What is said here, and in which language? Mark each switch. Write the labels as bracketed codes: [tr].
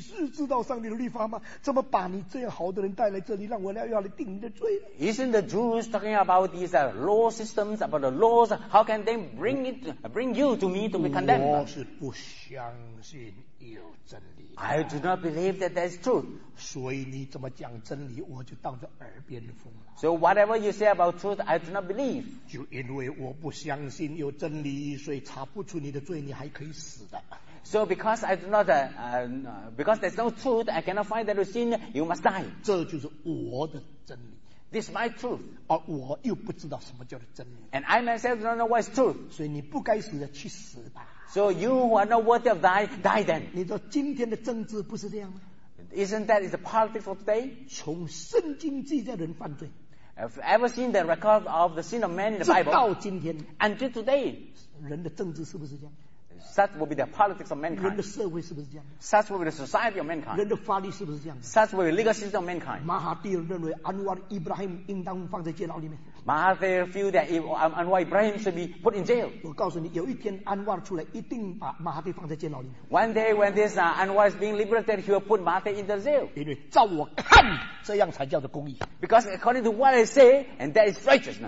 [zh] 犹太人不是讲他们领受上帝的启示，知道上帝的律法吗?怎么把你这样好的人带来这里，让我要来定你的罪? [en] Isn't the Jews talking about these law systems, about the laws? How can they bring it, bring you to me to be condemned? [zh] 我是不相信有真理。 [en] I do not believe that there is truth. [zh] 所以你怎么讲真理，我就当作耳边风了。 [en] So whatever you say about truth, I do not believe. [zh] 就因为我不相信有真理，所以查不出你的罪，你还可以死的。 [en] So because I do not, because there's no truth, I cannot find that you sin, you must die. [zh] 这就是我的真理。 [en] This is my truth. [zh] 而我又不知道什么叫做真理。 [en] And I myself do not know what is truth. [zh] 所以你不该死的，去死吧。 [en] So you who are not worthy of die, die then. [zh] 你说今天的政治不是这样吗? [en] Isn't that the politics of today? [zh] 从圣经记载人犯罪。 [en] Have you ever seen the record of the sin of man in the Bible? [zh] 直到今天, [en] until today, [zh] 人的政治是不是这样? [en] Such will be the politics of mankind. [zh] 人的社会是不是这样? [en] Such will be the society of mankind. [zh] 人的法律是不是这样? [en] Such will be the legal system of mankind. [zh] 马哈蒂认为安瓦·伊布拉欣应当放在监牢里面。 [en] Mahathir feel that Anwar Ibrahim should be put in jail. [zh] 我告诉你, 有一天, Anwar 出来, 一定把马哈蒂放在监牢里面。 [en] One day when this Anwar is being liberated, he will put Mahathir in the jail. [zh] 因为照我看, 这样才叫做公义。 [en] Because according to what I say, and that is righteousness.